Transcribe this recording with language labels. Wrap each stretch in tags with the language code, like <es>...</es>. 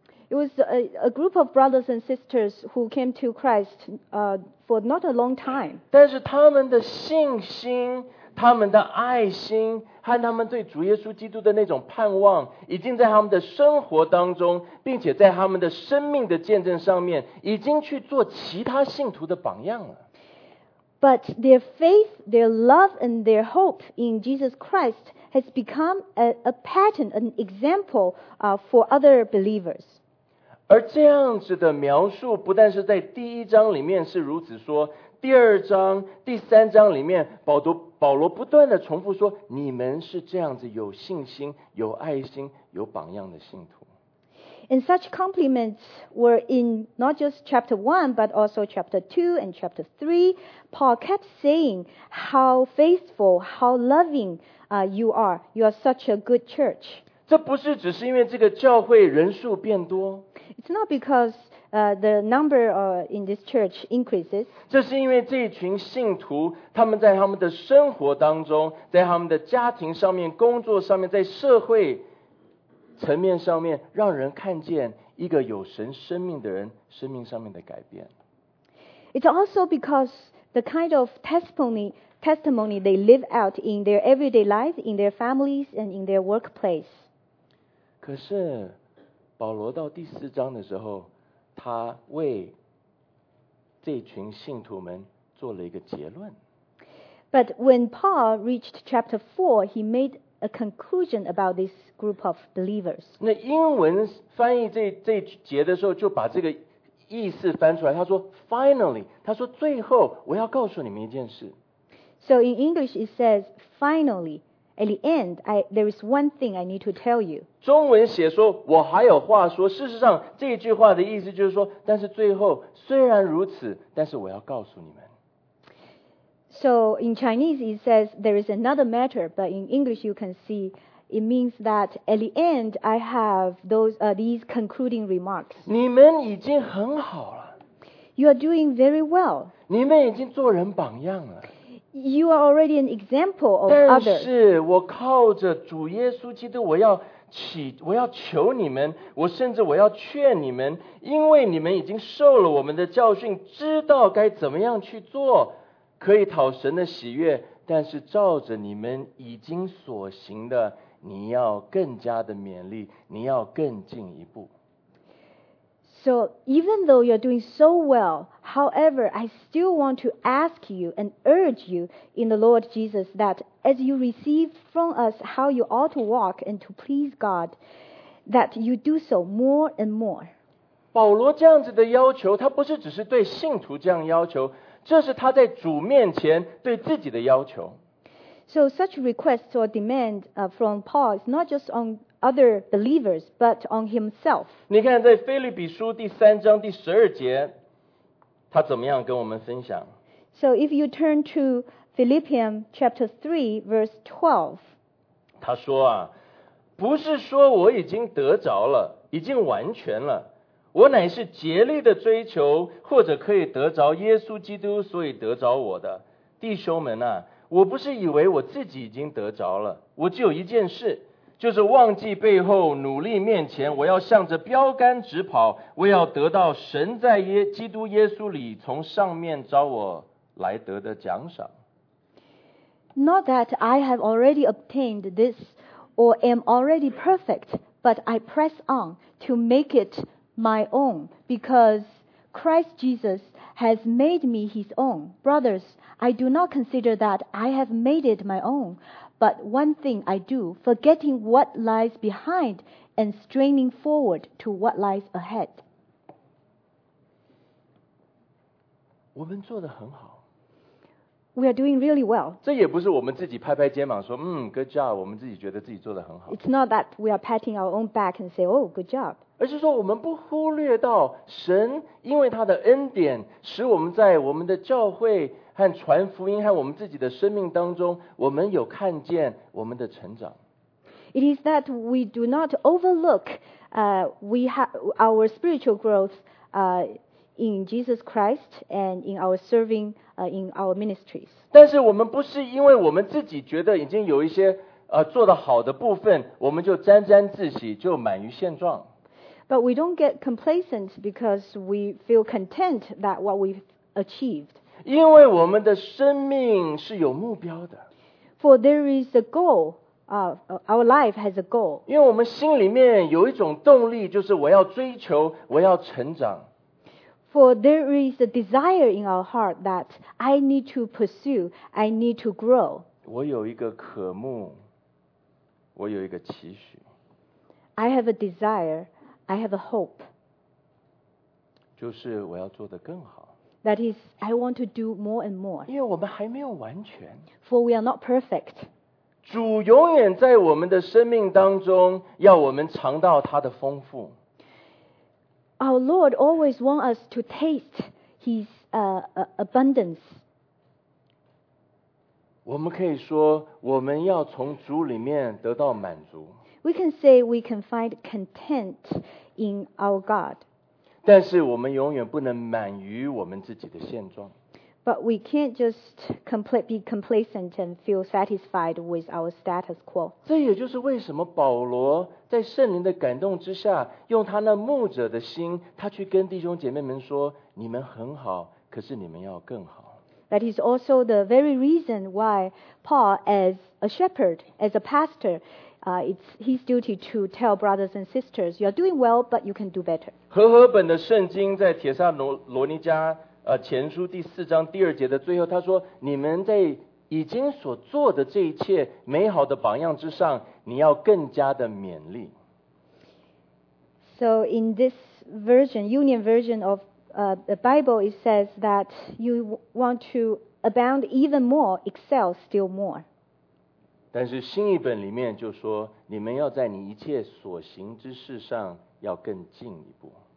<en>It was a group of brothers and sisters who came to Christ for not a long time.</en> <zh>但是他们的信心、他们的爱心和他们对主耶稣基督的那种盼望，已经在他们的生活当中，并且在他们的生命的见证上面，已经去做其他信徒的榜样了。</zh> <en>But their faith, their love, and their hope in Jesus Christ has become a pattern, an example for other believers.</en> <zh>而这样子的描述不但是在第一章里面是如此说第二章第三章里面保罗不断的重复说你们是这样子有信心有爱心有榜样的信徒</zh> <en>And such compliments were in not just chapter 1 but also chapter 2 and chapter 3 Paul kept saying how faithful, how loving you are You are such a good church</en> <zh>这不是只是因为这个教会人数变多。</zh> <en>It's not because the number in this church increases.</en> <zh>这是因为这群信徒，他们在他们的生活当中，在他们的家庭上面、工作上面，在社会层面上面，让人看见一个有神生命的人生命上面的改变。</zh> <en>It's also because the kind of testimony they live out in their everyday life, in their families, and in their workplace.</en> <zh>可是保罗到第四章的时候他为这群信徒们做了一个结论</zh> <en>But when Paul reached chapter 4 he made a conclusion about this group of believers</en> <zh>那英文翻译 这节的时候就把这个意思翻出来他说 finally 他说最后我要告诉你们一件事</zh> <en>So in English it says finallyAt the end, there is one thing I need to tell you.</en> <zh>中文写说我还有话说事实上这句话的意思就是说但是最后虽然如此但是我要告诉你们。</zh> <en>So in Chinese it says there is another matter, but in English you can see it means that at the end I have these concluding remarks.</en> <zh>你们已经很好了。</zh> <en>You are doing very well.</en> <zh>你们已经做人榜样了。</zh> <en>You are already an example of others.</en> <zh>但是我靠着主耶稣基督，我要求你们，我甚至我要劝你们，因为你们已经受了我们的教训，知道该怎么样去做，可以讨神的喜悦。但是照着你们已经所行的，你要更加的勉励，你要更进一步。</zh> <en>So even though you're doing so well, however, I still want to ask you and urge you in the Lord Jesus that as you receive from us how you ought to walk and to please God, that you do so more and more.</en> <zh>保罗这样子的要求，他不是只是对信徒这样要求，这是他在主面前对自己的要求。</zh> <en>So such requests or demand from Paul is not just on other believers, but on himself.</en> <zh>你看在腓立比书第三章第十二节，他怎么样跟我们分享？</zh> <en>So if you turn to Philippians chapter 3 verse 12,</en> <zh>他说啊，不是说我已经得着了，已经完全了，我乃是竭力的追求，或者可以得着耶稣基督，所以得着我的。弟兄们啊，我不是以为我自己已经得着了，我只有一件事，就是忘记背后，努力面前，我要向着标杆直跑，我要得到神在基督耶稣里从上面召我来得的奖赏。</zh> <en>Not that I have already obtained this or am already perfect, but I press on to make it my own because Christ Jesus has made me his own. Brothers, I do not consider that I have made it my own, but one thing I do, forgetting what lies behind and straining forward to what lies ahead.</en> <zh>我们做得很好。</zh> <en>We are doing really well.</en> <zh>这也不是我们自己拍拍肩膀说，嗯，</zh> <en>good job，</en> <zh>我们自己觉得自己做得很好。</zh> <en>It's not that we are patting our own back and say, oh, good job.</en> <zh>而是说我们不忽略到神因为他的恩典，使我们在我们的教会和传福音和我们自己的生命当中，我们有看见我们的成长。</zh> <en>It is that we do not overlook our spiritual growth in Jesus Christ and in our serving in our ministries.</en> <zh>但是我们不是因为我们自己觉得已经有一些做得好的部分，我们就沾沾自喜，就满于现状。</zh> <en>But we don't get complacent because we feel content that what we've achieved.</en> <zh>因为我们的生命是有目标的。</zh> <en>For there is a goal, our life has a goal.</en> <zh>因为我们心里面有一种动力，就是我要追求，我要成长。</zh> <en>For there is a desire in our heart that I need to pursue, I need to grow.</en> <zh>我有一个渴慕，我有一个期许。</zh> <en>I have a desire, I have a hope.</en> <zh>就是我要做得更好。</zh> <en>That is, I want to do more and more.</en> <zh>因为我们还没有完全。</zh> <en>For we are not perfect.</en> <zh>主永远在我们的生命当中，要我们尝到他的丰富。</zh> <en>Our Lord always wants us to taste His abundance.</en> <zh>我们可以说，我们要从主里面得到满足。</zh> <en>We can say we can find content in our God.</en> <zh>但是我们永远不能满于我们自己的现状。</zh> <en>But we can't just be complacent and feel satisfied with our status quo.</en> <zh>这也就是为什么保罗在圣灵的感动之下，用他那牧者的心，他去跟弟兄姐妹们说：“你们很好，可是你们要更好。”</zh> <en>That is also the very reason why Paul, as a shepherd, as a pastor,it's his duty to tell brothers and sisters, you're doing well, but you can do better.</en> <zh>和合本的圣经在帖撒罗尼迦前书第四章第二节的最后，他说：“你们在已经所做的这一切美好的榜样之上，你要更加的勉励。”</zh> <en>So in this version, Union version of the Bible, it says that you want to abound even more, excel still more.</en> <zh>但是新译本里面就说，你们要在你一切所行之事上要更进一步。</zh>